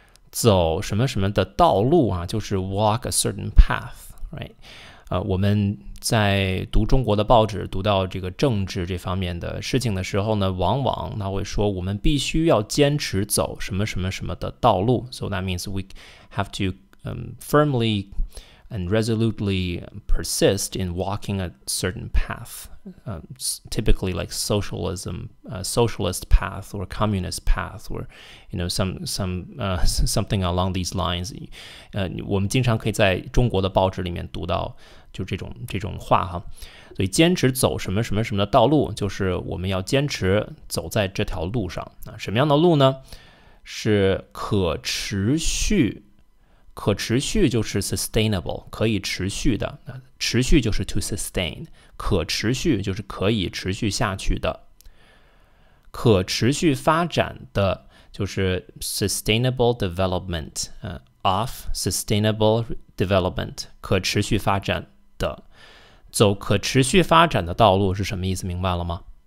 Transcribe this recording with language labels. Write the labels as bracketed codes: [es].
[zh] 走什么什么的道路啊，就是 [en] walk a certain path， right？ [zh] 我们在读中国的报纸，读到这个政治这方面的事情的时候呢，往往那会说我们必须要坚持走什么什么什么的道路。 [en] So that means we have to firmly and resolutely persist in walking a certain path, typically like socialism, socialist path or communist path, or you know, something along these lines. [zh] 我们经常可以在中国的报纸里面读到就这种话哈，所以坚持走什么什么什么的道路，就是我们要坚持走在这条路上。那什么样的路呢？是可持续，可持续就是 sustainable， 可以持续的，持续就是 [en] to sustain， [zh] 可持续就是可以持续下去的，可持续发展的就是 [en] sustainable development， of sustainable development， [zh] 可持续发展的，走可持续发展的道路是什么意思？明白了吗？